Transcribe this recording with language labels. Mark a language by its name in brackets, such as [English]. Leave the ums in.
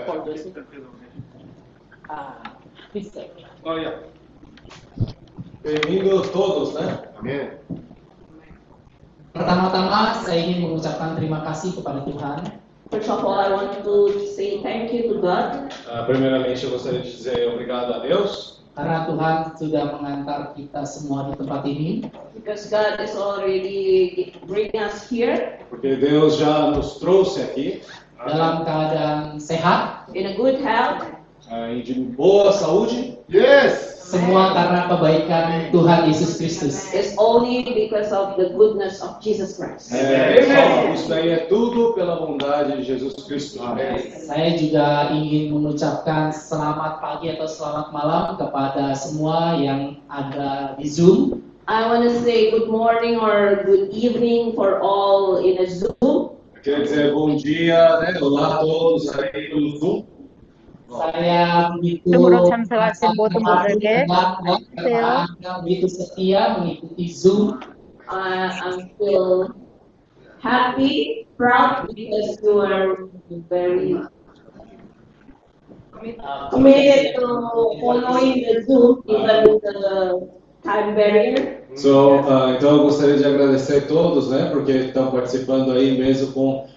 [English] for this. Ah, please. [Spanish] Oh ya. Bienvenidos todos, ¿eh? [Indonesian] Amén. Pertama-tama saya ingin mengucapkan terima kasih kepada Tuhan. [English] First of all, I want to say thank you to God. [Portuguese] Uh, primeiramente, eu gostaria de dizer obrigado a Deus. [Indonesian] Karena Tuhan sudah mengantar kita semua di tempat ini. [English] Because God is already bring us here. [Portuguese] Porque Deus já nos trouxe In [English] a good health. [Portuguese] Uh, em boa saúde. [English] Yes. [Indonesian] semua karena kebaikan Tuhan Yesus Kristus. [English] It's only because of the goodness of Jesus Christ. [Indonesian] Saya tutup [Portuguese] pela bondade de Jesus Cristo. [Indonesian] Saya juga ingin mengucapkan selamat pagi atau selamat malam kepada semua yang ada di Zoom. [English] I want to say good morning or good evening for all in a Zoom. [Portuguese] Quer dizer bom dia, né? Olá a todos aí no Zoom. [Indonesian] saya begitu saya begitu setia mengikuti Zoom [English] uh, I'm feel happy proud because you are very committed to following the Zoom even with the time barrier [Portuguese] So, uh, então, eu gostaria de agradecer a todos, né, porque estão participando aí mesmo com